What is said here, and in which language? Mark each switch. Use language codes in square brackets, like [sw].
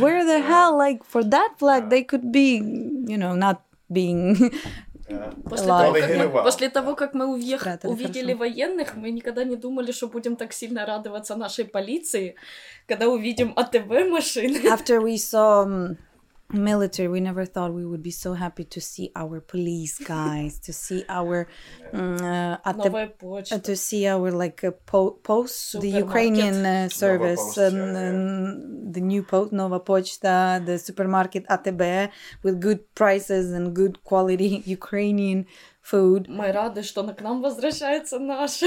[en] Where the hell, like, for that flag, they could be, you know, not being... [ru] После того, как мы увидели военных, мы никогда не думали, что будем так сильно радоваться нашей полиции, когда увидим АТВ машины. [en] After we saw military, we never thought we would be so happy to see our police guys, to see our to see our like post, the Ukrainian service, the new post, Nova Pochta, the supermarket ATB with good prices and good quality Ukrainian food. [uk] Ми раді, що к нам возвращається наше.